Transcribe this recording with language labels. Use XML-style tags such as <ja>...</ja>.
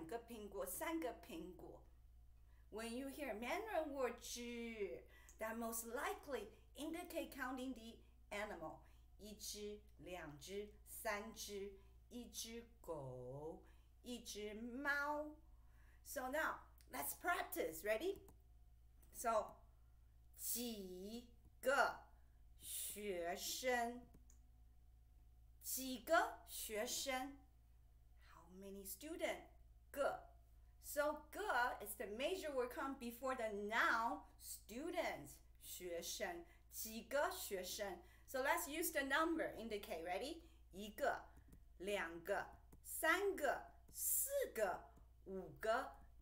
<zh>一个学生,两个学生,三个学生,一个苹果,两个苹果,三个苹果.</zh> <en>When you hear Mandarin word 只, that most likely indicate counting the animal.</en> <zh>一只,两只,三只, 一只狗,一只猫.</zh> <en>So now, let's practice, ready? So,</en> <zh>几个学生,几个学生,</zh> <en>how many students? 个. So, 个 is the major word come before the noun, students,</en> <zh>学生,几个学生.</zh> <en>So, let's use the number, indicate, ready?</en> <zh>一个,两个,三个,四个,五个.</zh>